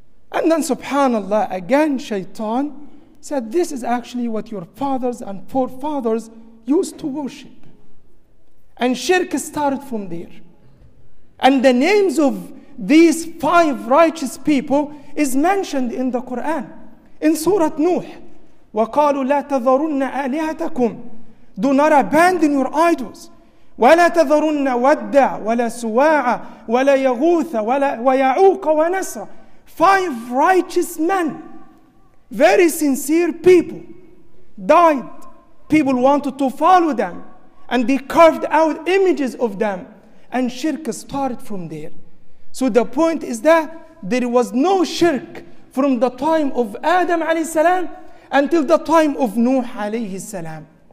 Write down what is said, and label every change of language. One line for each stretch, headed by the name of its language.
English: And then subhanAllah, again Shaitan said, this is actually what your fathers and forefathers used to worship. And shirk started from there. And the names of these five righteous people is mentioned in the Quran. In Surah Nuh,
Arabic: وَقَالُوا لَا تَذَرُنَّ آلِهَتَكُمْ.
English: Do not abandon your idols.
Arabic: وَلَا تَذَرُنَّ وَدَّعَ وَلَا سُوَاعَ وَلَا يَغُوثَ وَيَعُوقَ وَنَسْرَ.
English: Five righteous men. Very sincere people died. People wanted to follow them. And they carved out images of them. And shirk started from there. So the point is that there was no shirk from the time of Adam alayhi salam until the time of Nuh alayhi salam.